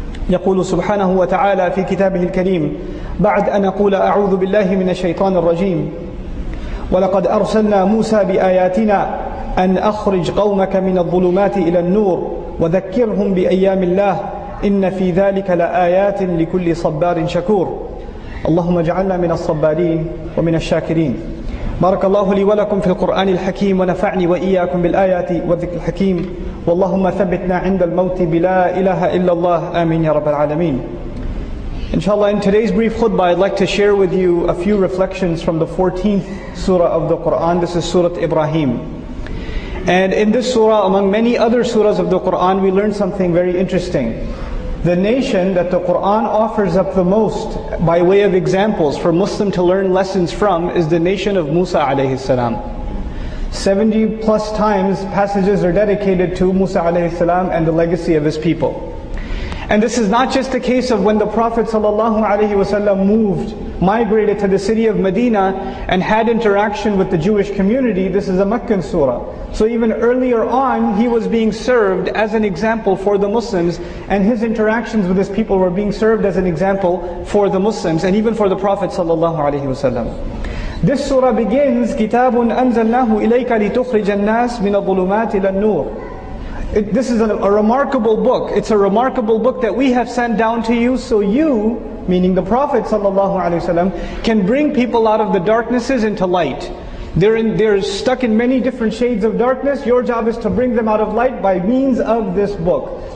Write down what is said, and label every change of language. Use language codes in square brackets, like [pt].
[ar] يقول سبحانه وتعالى في كتابه الكريم بعد أن أقول أعوذ بالله من الشيطان الرجيم: ولقد أرسلنا موسى بآياتنا أن أخرج قومك من الظلمات إلى النور وذكرهم بأيام الله إن في ذلك لآيات لكل صبار شكور. اللهم اجعلنا من الصبارين ومن الشاكرين. بارك الله لي ولكم في القرآن الحكيم، ونفعني وإياكم بالآيات والذكر الحكيم، واللهم ثبتنا عند الموت بلا إله إلا الله، آمين يا رب العالمين. [en] Inshallah, in today's brief khutbah, I'd like to share with you a few reflections from the 14th surah of the Qur'an. This is Surah Ibrahim. And in this surah, among many other surahs of the Qur'an, we learn something very interesting. The nation that the Qur'an offers up the most by way of examples for Muslim to learn lessons from is the nation of Musa alayhi salam. 70 plus times passages are dedicated to Musa alayhi salam and the legacy of his people. And this is not just the case of when the Prophet ﷺ moved, migrated to the city of Medina and had interaction with the Jewish community. This is a Meccan surah. So even earlier on, he was being served as an example for the Muslims, and his interactions with his people were being served as an example for the Muslims and even for the Prophet ﷺ. This surah begins, [ar] كِتَابٌ أَنْزَلْنَاهُ إِلَيْكَ لِتُخْرِجَ النَّاسِ مِنَ الظُّلُمَاتِ إِلَى النُّورِ. [en] This is a remarkable book. It's a remarkable book that we have sent down to you so you, meaning the Prophet ﷺ, can bring people out of the darknesses into light. They're stuck in many different shades of darkness. Your job is to bring them out of light by means of this book.